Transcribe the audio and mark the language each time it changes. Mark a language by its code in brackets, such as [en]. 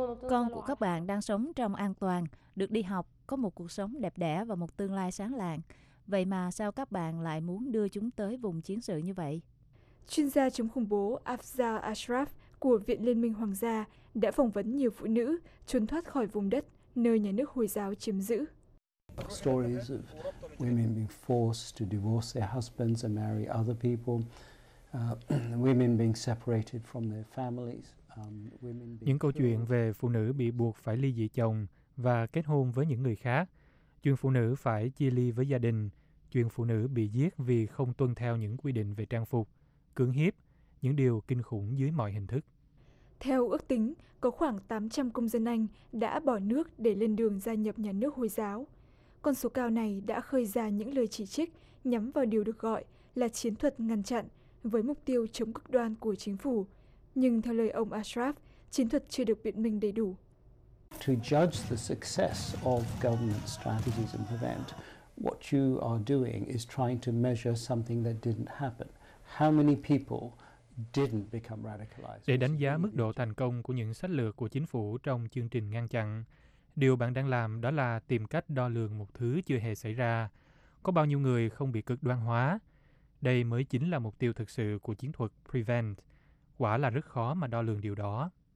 [vi] Con của các bạn đang sống trong an toàn, được đi học, có một cuộc sống đẹp đẽ và một tương lai sáng lạng. Vậy mà sao các bạn lại muốn đưa chúng tới vùng chiến sự như vậy? Chuyên gia chống khủng bố Afzal Ashraf của Viện Liên minh Hoàng gia đã phỏng vấn nhiều phụ nữ trốn thoát khỏi vùng đất nơi nhà nước Hồi giáo chiếm giữ. [en] Stories of women being forced to divorce their husbands and marry other people, women being separated from their families. [vi] Những câu chuyện về phụ nữ bị buộc phải ly dị chồng và kết hôn với những người khác, chuyện phụ nữ phải chia ly với gia đình, chuyện phụ nữ bị giết vì không tuân theo những quy định về trang phục, cưỡng hiếp, những điều kinh khủng dưới mọi hình thức. Theo ước tính, có khoảng 800 công dân Anh đã bỏ nước để lên đường gia nhập nhà nước Hồi giáo. con số cao này đã khơi ra những lời chỉ trích nhắm vào điều được gọi là chiến thuật ngăn chặn với mục tiêu chống cực đoan của chính phủ. Nhưng theo lời ông Ashraf, chiến thuật chưa được biện minh đầy đủ. [en] To judge the success of government strategies and prevent, what you are doing is trying to measure something that didn't happen. How many people didn't become radicalized? [vi] Để đánh giá mức độ thành công của những sách lược của chính phủ trong chương trình ngăn chặn, điều bạn đang làm đó là tìm cách đo lường một thứ chưa hề xảy ra. Có bao nhiêu người không bị cực đoan hóa? Đây mới chính là mục tiêu thực sự của chiến thuật prevent. Quả là rất khó mà đo lường điều đó.